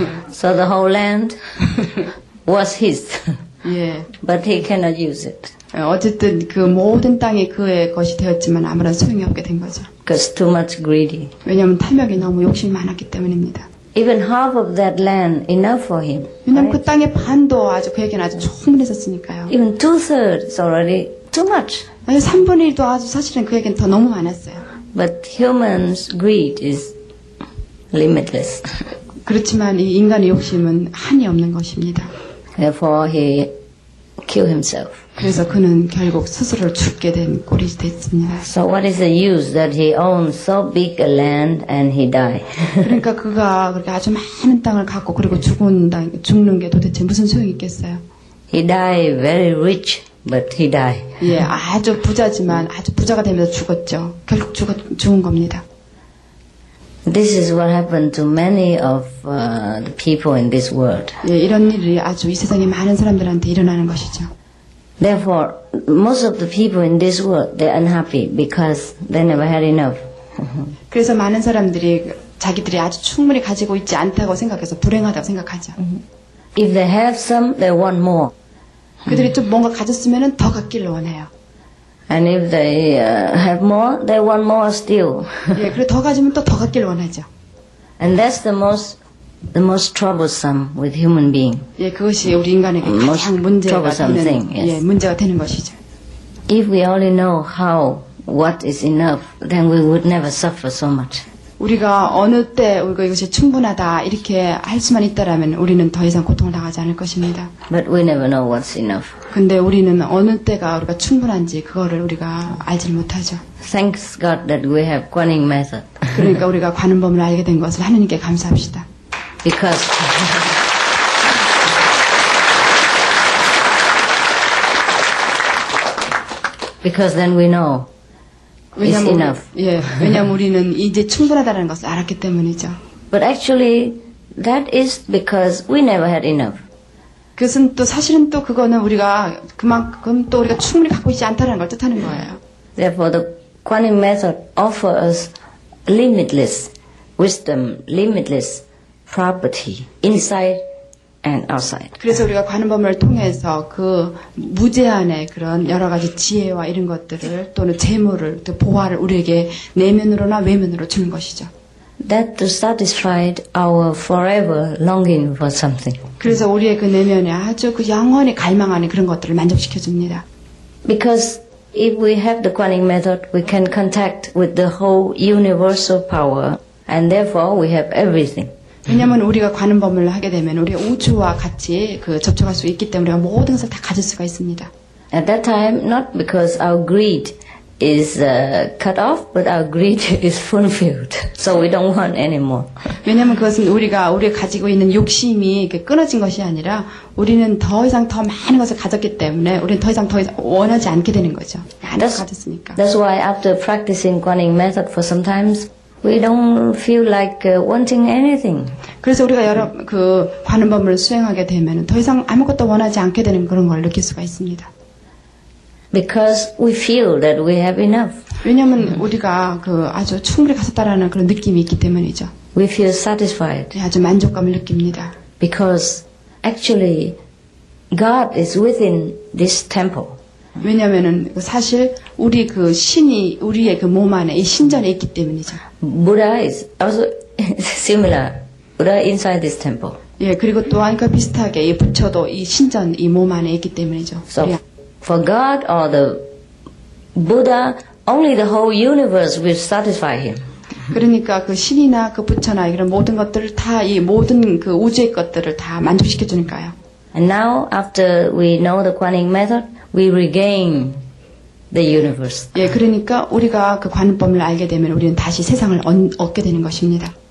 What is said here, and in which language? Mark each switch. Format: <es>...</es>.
<en>So the whole land was his.</en> <ko>예.</ko> <en>But he cannot use it.</en> <ko>어쨌든 그 모든 땅이 그의 것이 되었지만 아무런 소용이 없게 된 거죠.</ko> <en>Because too much greedy.</en> <ko>왜냐하면 탐욕이 너무 욕심이 많았기 때문입니다.</ko> <en>Even half of that land enough for him.</en> <ko>왜냐하면 right? 그 땅의 반도 아주 그에게는 아주 충분했었으니까요.</ko> <en>Even two thirds already too much.</en> <ko>아니, 3분의 1도 아주 사실은 그에게는 더 너무 많았어요.</ko> <en>But human's greed is limitless.</en> <ko>그렇지만 이 인간의 욕심은 한이 없는 것입니다.</ko> <en>Therefore he killed himself.</en> <ko>그래서 그는 결국 스스로 죽게 된 꼴이 됐습니다.</ko> <en>So what is the use that he owns so big a land and he died?</en> <ko>그러니까 그가 그렇게 아주 많은 땅을 갖고 그리고 죽는 게 도대체 무슨 소용이 있겠어요?</ko> <en>He died very rich, but he died.</en> <ko>예, 아주 부자지만 아주 부자가 되면서 죽었죠. 결국 죽은 겁니다.</ko> <en>This is what happened to many of the people in this world.</en> <ko>예, 이런 일이 아주 이 세상에 많은 사람들한테 일어나는 것이죠.</ko> <en>Therefore, most of the people in this world, they're unhappy because they never had enough.</en> <ko>그래서 많은 사람들이 자기들이 아주 충분히 가지고 있지 않다고 생각해서 불행하다고 생각하죠.</ko> <en>If they have some, they want more.</en> <ko>그들이 좀 뭔가 가졌으면 더 갖기를 원해요.</ko> <en>And if they have more, they want more still.</en> <ko>예, 그리고 더 가지면 또 더 갖기를 원하죠.</ko> <en>And that's the most troublesome with human being.</en> <ko>예, 그것이 우리 인간에게 가장 문제가 되는 것이죠.</ko> <en>If we only know how what is enough, then we would never suffer so much.</en> <ko>우리가 어느 때 우리가 이것이 충분하다 이렇게 할 수만 있다라면 우리는 더 이상 고통을 당하지 않을 것입니다.</ko> <en>But we never know what's enough.</en> <ko>근데 우리는 어느 때가 우리가 충분한지 그거를 우리가 알지 못하죠.</ko> <en>Thanks God that we have Guaning method.</en> <ko>그러니까 우리가 관음법을 알게 된 것을 하느님께 감사합시다.</ko> <en>Because then we know.</en> <ko>왜냐면,</ko> <en>enough.</en> <ko>예, 왜냐면 우리는 이제 충분하다는 것을 알았기 때문이죠.</ko> <en>But actually, that is because we never had enough.</en> <ko>그것은 또 사실은 또 그거는 우리가 그만큼 또 우리가 충분히 갖고 있지 않다는 걸 뜻하는 거예요.</ko> <en>Therefore, the Guaning method offers us limitless wisdom, limitless property inside and outside.</en> <ko>그래서 우리가 관음법을 통해서 그 무제한의 그런 여러 가지 지혜와 이런 것들을 또는 재물을 또 보화를 우리에게 내면으로나 외면으로 주는 것이죠.</ko> <en>That to satisfy our forever longing for something.</en> <ko>그래서 우리의 그 내면에 아주 그 영원히 갈망하는 그런 것들을 만족시켜 줍니다.</ko> <en>Because if we have the Guaning method, we can contact with the whole universal power, and therefore we have everything.</en> <ko>왜냐면 우리가 관음법을 하게 되면 우리 우주와 같이 그 접촉할 수 있기 때문에 우리가 모든 것을 다 가질 수가 있습니다.</ko> <en>At that time, not because our greed is cut off, but our greed is fulfilled. So we don't want anymore.</en> <ko>왜냐면 그것은 우리가 가지고 있는 욕심이 끊어진 것이 아니라 우리는 더 이상 더 많은 것을 가졌기 때문에 우리는 더 이상 원하지 않게 되는 거죠. 많은 것을 가졌으니까.</ko> <en>That's why after practicing Guaning method for some times, we don't feel like wanting anything.</en> <ko>그래서 우리가 여러 그 관음법을 수행하게 되면 더 이상 아무것도 원하지 않게 되는 그런 걸 느낄 수가 있습니다.</ko> <en>Because we feel that we have enough.</en> <ko>왜냐하면 우리가 그 아주 충분히 가졌다라는 그런 느낌이 있기 때문이죠.</ko> <en>We feel satisfied.</en> <ko>아주 만족감을 느낍니다.</ko> <en>Because actually God is within this temple.</en> <ko>왜냐면은 사실 우리 그 신이 우리의 그 몸 안에 이 신전에 있기 때문이죠.</ko> <en>Buddha is also similar. Buddha inside this temple.</en> <ko>예, 그리고 또한 그 비슷하게 이 부처도 이 신전 이 몸 안에 있기 때문이죠.</ko> <en>So for God or the Buddha, only the whole universe will satisfy him.</en> <ko>그러니까 그 신이나 그 부처나 이런 모든 것들을 다 이 모든 그 우주의 것들을 다 만족시켜 주니까요.</ko> <en>And now after we know the Guaning method, we regain the universe.</en> <ko>예, 그러니까 우리가 그 관음법을 알게 되면 우리는 다시 세상을 얻게 되는 것입니다.</ko>